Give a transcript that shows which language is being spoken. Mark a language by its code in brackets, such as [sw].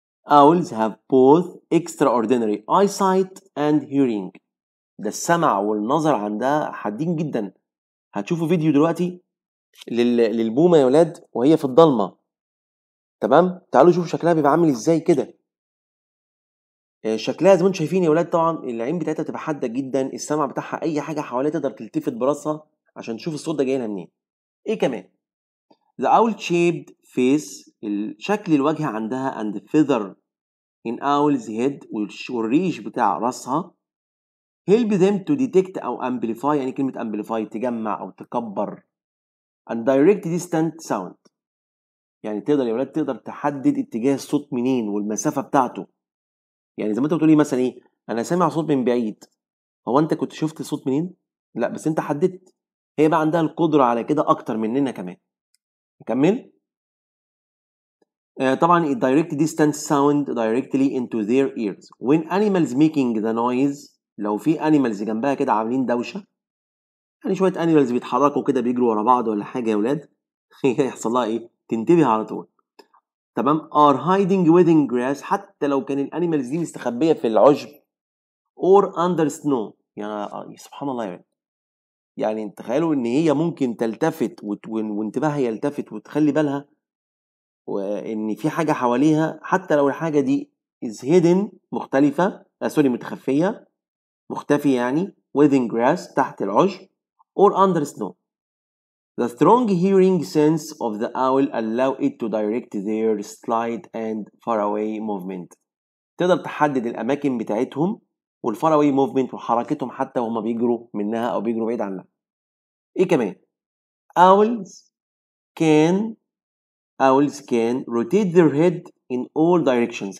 [en] Owls have both extraordinary eyesight and hearing. [ar] ده السمع والنظر عندها حادين جدا. هتشوفوا فيديو دلوقتي للبومة يا ولاد وهي في الضلمة، تمام؟ تعالوا شوفوا شكلها بيبقى عامل ازاي كده. شكلها زي ما انتم شايفين يا ولاد طبعا العين بتاعتها بتبقى حادة جدا، السمع بتاعها اي حاجة حواليها تقدر تلتفت براسها عشان تشوف الصوت ده جاي لها منين. ايه كمان؟ [en] The owl shaped face، [ar] الشكل الوجه عندها [en] and feather in owl's head، [ar] والريش بتاع راسها [en] help them to detect [ar] أو amplify، يعني كلمة amplify تجمع أو تكبر [en] and direct distant sound، [ar] يعني تقدر يا ولاد تقدر تحدد اتجاه الصوت منين والمسافة بتاعته. يعني زي ما انت بتقولي مثلا ايه، أنا سامع صوت من بعيد، هو أنت كنت شفت الصوت منين؟ لا بس أنت حددت. هي بقى عندها القدرة على كده أكتر مننا كمان. نكمل. [en] طبعا it direct distant sound directly into their ears. When animals making the noise، [ar] لو في animals جنبها كده عاملين دوشة، يعني شوية animals بيتحركوا كده بيجروا ورا بعض ولا حاجة يا ولاد، يحصل لها ايه؟ تنتبه على طول، تمام؟ [en] are hiding within grass، [ar] حتى لو كان الانيمالز دي مستخبية في العشب [en] or under snow. [ar] يعني سبحان الله يا ولاد، يعني تخيلوا ان هي ممكن تلتفت وانتباهها يلتفت وتخلي بالها وان في حاجة حواليها، حتى لو الحاجة دي [en] is hidden [ar] مختلفة، سوري متخفية مختفية، يعني [en] within grass [ar] تحت العشب [en] or under snow. The strong hearing sense of the owl allow it to direct their slight and far away movement. [ar] تقدر تحدد الأماكن بتاعتهم [en] والفاراوي موفمنت [ar] وحركتهم حتى وهم بيجروا منها او بيجروا بعيد عنها. ايه كمان؟ [en] owls can rotate their head in all directions.